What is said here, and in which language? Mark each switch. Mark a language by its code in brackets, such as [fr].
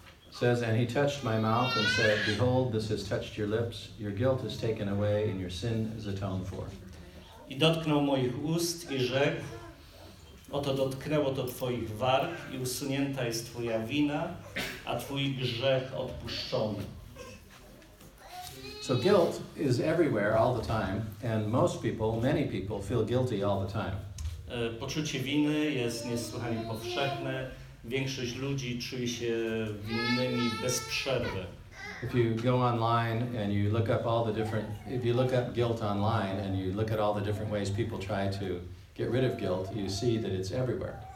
[en] says, and he touched my mouth and said, behold, this has touched your lips, your guilt is taken away and your sin is atoned for. [pl] I dotknął moich ust i rzekł, oto dotknęło to twoich warg i usunięta jest twoja wina, a twój grzech odpuszczony. [en] So guilt is everywhere all the time, and most people, many people, feel guilty all the time. [pl] Poczucie winy jest niesłychanie powszechne. Większość ludzi czuje się winnymi bez przerwy. [en] If you go online and you look up all the different, if you look up guilt online and you look at all the different ways people try to get rid of guilt, you see that it's everywhere.